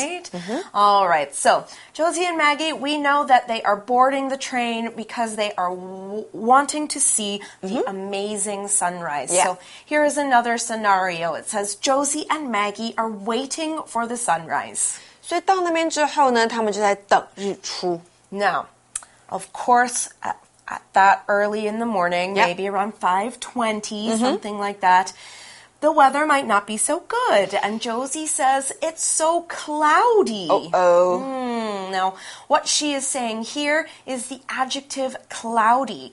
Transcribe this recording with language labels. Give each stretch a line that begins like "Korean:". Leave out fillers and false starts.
English: Right? All right. So, Josie and Maggie, we know that they are boarding the train because they are wanting to see the amazing sunrise. Yeah. So, here is another scenario. It says, Josie and Maggie are waiting for the sunrise.
Chinese: 所以到那边之后呢，他们就在等日出。
English: Now, of course, at that early in the morning, maybe around 5:20, something like that, the weather might not be so good. And Josie says, it's so cloudy. Now, what she is saying here is the adjective cloudy.